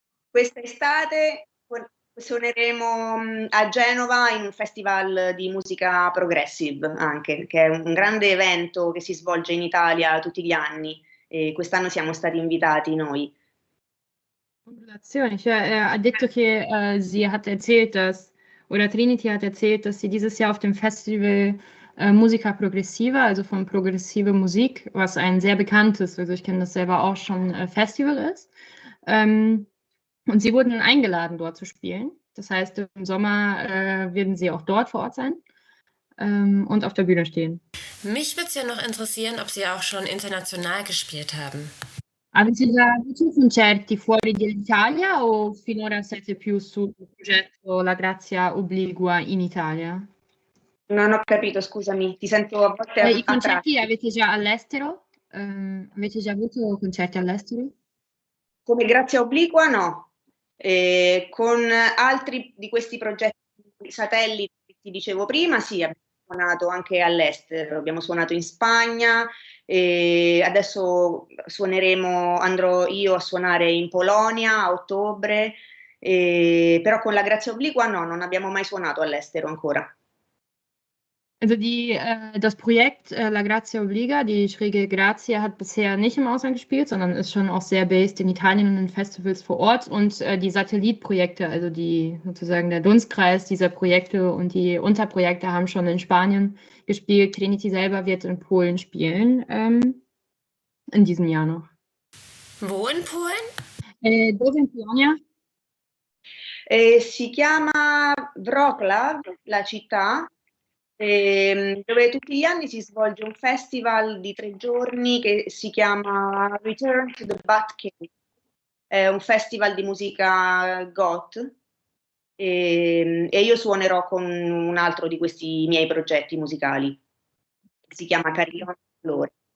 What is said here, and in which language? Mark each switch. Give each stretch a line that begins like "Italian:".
Italian: Questa estate suoneremo a Genova in un festival di musica progressive, anche, che è un grande evento che si svolge in Italia tutti gli anni. E quest'anno siamo stati invitati noi. Congratulazioni, cioè, ha detto che
German: sie hat erzählt, dass, oder Trinity hat erzählt, dass sie dieses Jahr auf dem Festival Musica Progressiva, also von Progressive Musik, was ein sehr bekanntes, also ich kenne das selber auch schon, Festival ist. Und sie wurden eingeladen, dort zu spielen. Das heißt, im Sommer werden sie auch dort vor Ort sein und auf der Bühne stehen. Mich würde es ja noch interessieren, ob sie auch schon international gespielt haben.
Italian: Avete già avuto concerti fuori dall'Italia o finora siete più sul progetto La Grazia Obliqua in Italia? Non ho capito, scusami, ti sento a volte I concerti tratti. Avete già all'estero? Avete già avuto concerti all'estero? Come Grazia Obliqua no. Con altri di questi progetti satelliti che ti dicevo prima, sì, abbiamo suonato anche all'estero. Abbiamo suonato in Spagna. E adesso andrò io a suonare in Polonia a ottobre, e però con la Grazia Obliqua no, non abbiamo mai suonato all'estero ancora.
German: Also die, das Projekt La Grazia Obliga, die schräge Grazia, hat bisher nicht im Ausland gespielt, sondern ist schon auch sehr based in Italien und in Festivals vor Ort. Und die Satellitprojekte, also die sozusagen der Dunstkreis dieser Projekte und die Unterprojekte, haben schon in Spanien gespielt. Trinity selber wird in Polen spielen, in diesem Jahr noch. Wo in Polen?
Italian: Dove in Polonia? Si chiama Wrocław, la città. Dove tutti gli anni si svolge un festival di tre giorni che si chiama Return to the Bat Cave, è un festival di musica goth e io suonerò con un altro di questi miei progetti musicali, si chiama Carillon del Dolore.